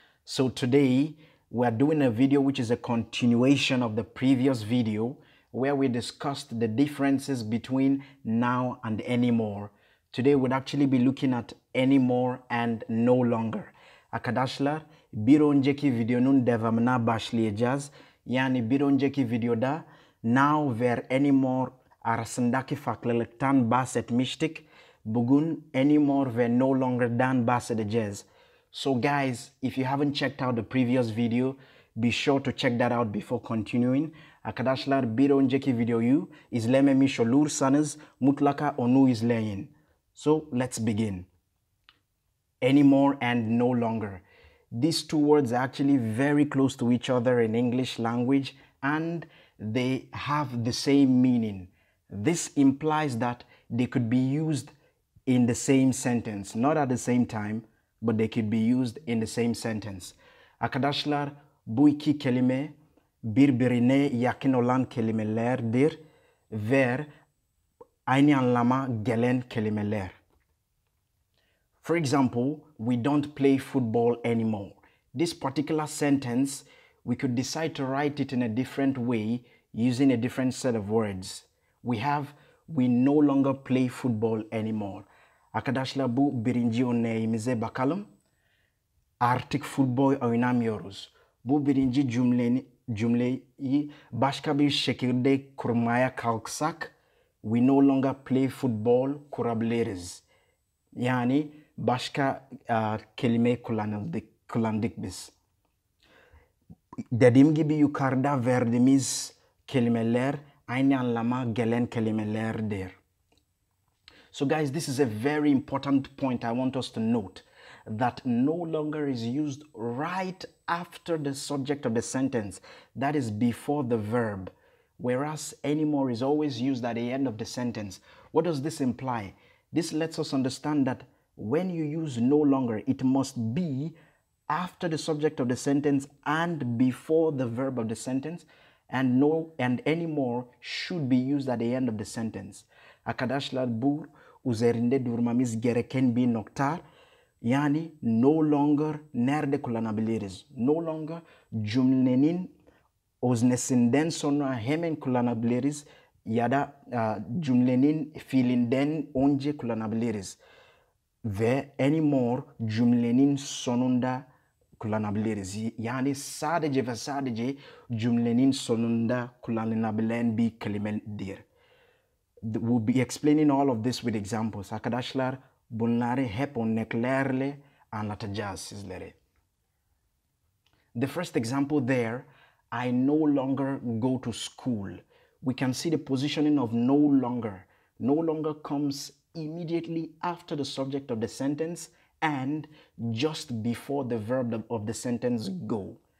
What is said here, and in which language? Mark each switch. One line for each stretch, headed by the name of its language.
English: So today, we are doing a video which is a continuation of the previous video where we discussed the differences between now and anymore. Today, we'll actually be looking at anymore and no longer.
Turkish: Arkadaşlar, bir önceki videonun devamına başlayacağız. Yani bir önceki videoda now ver anymore arasındaki farklılıktan bahsetmiştik. Bugün anymore ve no longer'dan bahsedeceğiz.
English: So guys, if you haven't checked out the previous video, be sure to check that out before continuing.
Turkish: Arkadaşlar, bir önceki videoyu izlememiş olursanız mutlaka onu izleyin.
English: So let's begin. Anymore and no longer. These two words are actually very close to each other in English language and they have the same meaning. This implies that they could be used in the same sentence, not at the same time, but they could be used in the same sentence.
Turkish: Arkadaşlar, bu iki kelime birbirine yakın olan kelimelerdir ve aynı anlama gelen kelimeler.
English: For example, we don't play football anymore. This particular sentence, we could decide to write it in a different way using a different set of words. We no longer play football anymore.
Turkish: Arkadaşlar, bu birinci örneğimize bakalım. Artık futbol oynamıyoruz. Bu birinci cümleyi başka bir şekilde kurmaya kalksak,
English: we no longer play football
Turkish: kurabiliriz. Yani başka kelime kullandık biz. Dediğim gibi yukarıda verdiğimiz kelimeler aynı anlama gelen kelimelerdir.
English: So guys, this is a very important point I want us to note, that no longer is used right after the subject of the sentence, that is before the verb, whereas anymore is always used at the end of the sentence. What does this imply? This lets us understand that when you use no longer, it must be after the subject of the sentence and before the verb of the sentence, and no and anymore should be used at the end of the sentence.
Turkish: Arkadaşlar, bu üzerinde durmamız gereken bir nokta. Yani no longer nerede kullanabiliriz? No longer cümlenin öznesinden sonra hemen kullanabiliriz ya da cümlenin fiilinden önce kullanabiliriz. Ve anymore cümlenin sonunda kullanabiliriz. Yani sadece ve sadece cümlenin sonunda kullanılabilen bir kelimedir.
English: We'll be explaining all of this with examples.
Turkish: Arkadaşlar, bunları hep örneklerle anlatacağız sizlere.
English: The first example there, I no longer go to school. We can see the positioning of no longer. No longer comes immediately after the subject of the sentence and just before the verb of the sentence go.